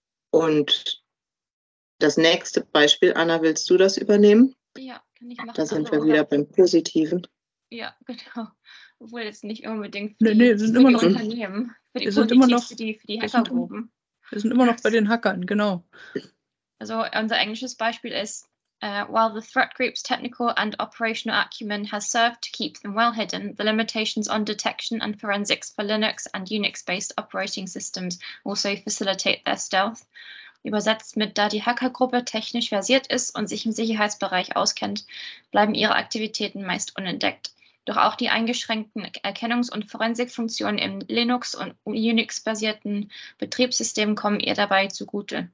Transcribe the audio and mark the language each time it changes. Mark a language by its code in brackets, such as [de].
[de] Und das nächste Beispiel, Anna, willst du das übernehmen? Ja, kann ich machen. Da sind wir wieder beim Positiven. Ja, genau. Obwohl jetzt nicht unbedingt für die Hackergruppen. Wir sind immer noch bei den Hackern, genau. Also unser englisches Beispiel ist, [en] while the threat group's technical and operational acumen has served to keep them well hidden, the limitations on detection and forensics for Linux and Unix-based operating systems also facilitate their stealth. [de] Übersetzt mit, da die Hackergruppe technisch versiert ist und sich im Sicherheitsbereich auskennt, bleiben ihre Aktivitäten meist unentdeckt. Doch auch die eingeschränkten Erkennungs- und Forensikfunktionen im Linux- und Unix-basierten Betriebssystemen kommen ihr dabei zugute.